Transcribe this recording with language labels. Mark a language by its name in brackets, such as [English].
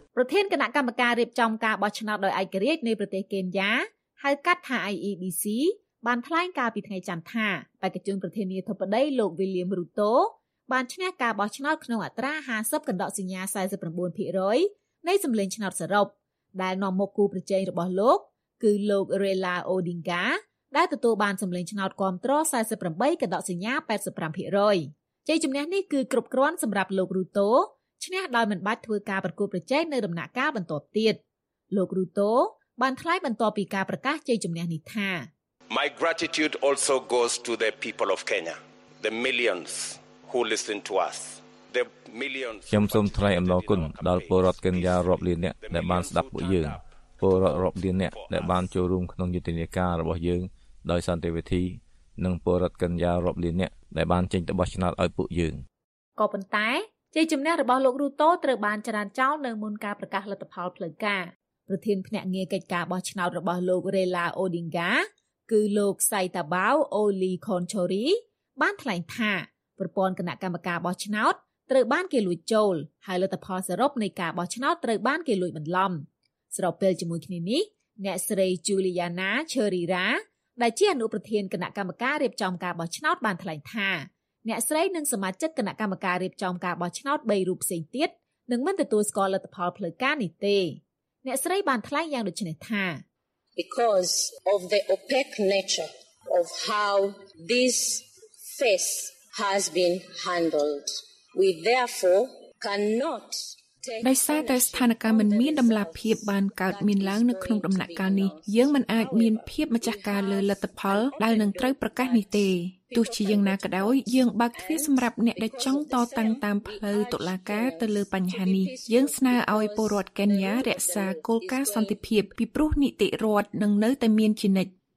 [Khmer] ប្រធានគណៈកម្មការរៀបចំការបោះឆ្នោតដោយឯករាជ្យនៃប្រទេសកេនយ៉ាហៅកាត់ថា IEBC បានថ្លែងកាលពីថ្ងៃច័ន្ទថាបេក្ខជនប្រធានាធិបតីលោកវីលៀមរូតូបានឈ្នះការបោះឆ្នោតក្នុងអត្រា 50.49% នៃសំឡេងឆ្នោតសរុបដែលនាំមកគូប្រជែងរបស់លោកគឺលោករ៉េឡាអូឌីងកាដែលទទួលបានសម្លេងឆ្នោតគាំទ្រ 48.85% ជ័យជំនះនេះគឺគ្រប់គ្រាន់សម្រាប់លោករូតូឈ្នះដោយមិនបាច់ធ្វើការប្រគល់ប្រជែងនៅដំណាក់កាលបន្ទាប់ទៀតលោករូតូបានថ្លែងបន្ទាប់ពីការប្រកាសជ័យជំនះនេះថា [English] My gratitude also goes to the people of Kenya the millions who listen to us [Khmer] ខ្ញុំសូមថ្លែងអំណរគុណដល់ពលរដ្ឋកេនយ៉ារាប់លានអ្នកដែលបានស្ដាប់ពួកយើងពលរដ្ឋរាប់លានអ្នកដែលបានចូលរួមក្នុងយុទ្ធនាការរបស់យើងដោយសន្តិវិធីនិងពលរដ្ឋកេនយ៉ារាប់លានអ្នកដែលបានចេញទៅបោះឆ្នោតឲ្យពួកយើង ក៏ប៉ុន្តែជ័យជំនះរបស់លោករូតូត្រូវបានច្រានចោលនៅមុនការប្រកាសលទ្ធផលផ្លូវការប្រធានភ្នាក់ងារកិច្ចការបោះឆ្នោតរបស់លោករ៉េឡាអូឌីងកាគឺលោកសៃតាបាវអូលីខុនឈូរីបានថ្លែងថាប្រព័ន្ធគណៈកម្មការបោះឆ្នោតត្រូវបានគេលួចចូលហើយលទ្ធផលសរុបនៃការបោះឆ្នោតត្រូវបានគេលួចបន្លំ ស្របពេលជាមួយគ្នានេះអ្នកស្រីជូលីយ៉ាណាឈើរីរ៉ាដែលជាអនុប្រធានគណៈកម្មការរៀបចំការបោះឆ្នោតបានថ្លែងថាអ្នកស្រីនិងសមាជិកគណៈកម្មការរៀបចំការបោះឆ្នោត3រូបផ្សេងទៀតនឹងមិនទទួលស្គាល់លទ្ធផលផ្លូវការនេះទេអ្នកស្រីបានថ្លែងយ៉ាងដូចនេះថា [English] Because of the opaque nature of how this phase has been handledWe therefore cannot [Khmer] ដោយសារតែស្ថានភាពមិនមានដំណាភៀបបានកើតមានឡើងនៅក្នុងដំណាក់កាលនេះយើងមិនអាចមានភៀបម្ចាស់ការលើលទ្ធផលដែលនឹងត្រូវប្រកាសនេះទេទោះជាយ៉ាងណាក៏ដោយយើងបើកទ្វារសម្រាប់អ្នកដែលចង់តតាំងតាមផ្លូវតុលាការទៅលើបញ្ហានេះយើងស្នើឲ្យពលរដ្ឋកេនយ៉ារក្សាគោលការណ៍សន្តិភាពពីព្រោះនីតិរដ្ឋនឹងនៅតែមានជានិច្ច